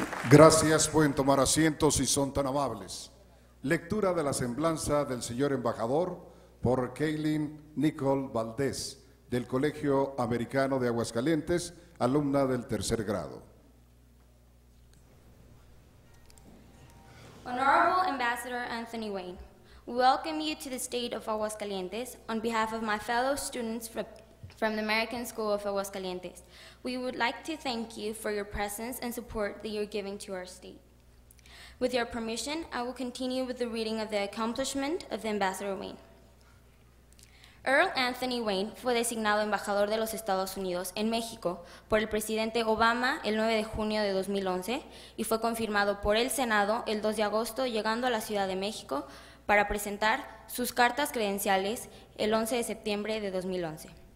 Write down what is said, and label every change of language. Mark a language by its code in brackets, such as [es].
[es] Gracias, pueden tomar asientos si son tan amables. Lectura de la semblanza del señor embajador por Kaylin Nicole Valdés, del Colegio Americano de Aguascalientes, alumna del tercer grado. [en] Honorable Ambassador Anthony Wayne, we welcome you to the state of Aguascalientes on behalf of my fellow students from the American School of Aguascalientes. We would like to thank you for your presence and support that you're giving to our state. With your permission, I will continue with the reading of the accomplishment of the Ambassador Wayne. [es] Earl Anthony Wayne fue designado embajador de los Estados Unidos en México por el presidente Obama el 9 de junio de 2011 y fue confirmado por el Senado el 2 de agosto, llegando a la Ciudad de México para presentar sus cartas credenciales el 11 de septiembre de 2011.